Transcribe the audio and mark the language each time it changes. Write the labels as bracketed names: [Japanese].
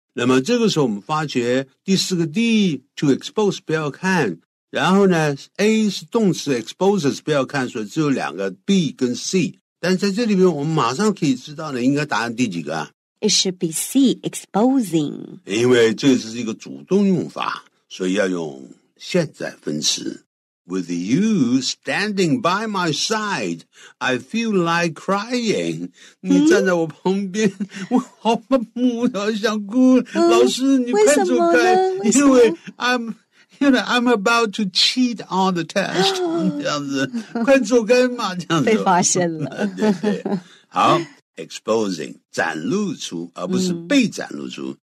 [Chinese] 那么这个时候我们发觉第四个 D to expose 不要看，然后呢 A 是动词 exposes 不要看，所以只有两个 B 跟 C。但在这里边，我们马上可以知道呢，应该答案第几个 [English] ？It should be C exposing。 [Chinese] 因为这是一个主动用法，所以要用现在分词。 [English] With you standing by my side, I feel like crying. [Chinese] 你站在我旁边，我好怕木头想哭。老师，你快走开，因为 [English] I'm about to cheat on the test. [Chinese] 这样子，快走开嘛，这样子。被发现了。对对。好 ，exposing 展露出，而不是被展露出。